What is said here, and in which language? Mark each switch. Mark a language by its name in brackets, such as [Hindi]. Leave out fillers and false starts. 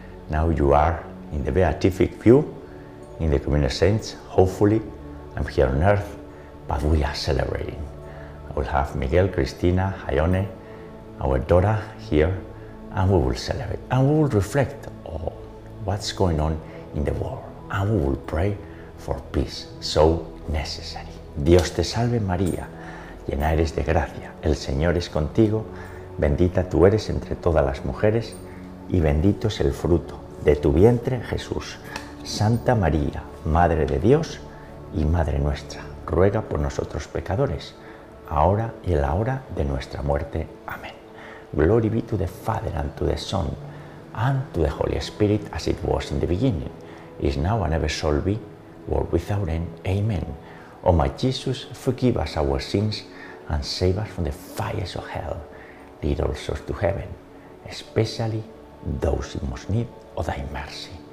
[English] Now you are in the beatific view, in the communion of saints, hopefully. I'm here on earth, but we are celebrating. I will have Miguel, Cristina, Hayone, our daughter here, and we will celebrate. And we will reflect on what's going on in the world. And we will pray for peace, so necessary. [Spanish] Dios te salve, María, llena eres de gracia. El Señor es contigo, bendita tú eres entre todas las mujeres, y bendito es el fruto de tu vientre, Jesús. Santa María, Madre de Dios y Madre nuestra, ruega por nosotros pecadores, ahora y en la hora de nuestra muerte. Amén. [English] Glory be to the Father, and to the Son, and to the Holy Spirit, as it was in the beginning, is now and ever shall be, world without end. Amen. O my Jesus, forgive us our sins, and save us from the fires of hell. Lead all souls to heaven, especially those in most need of thy mercy.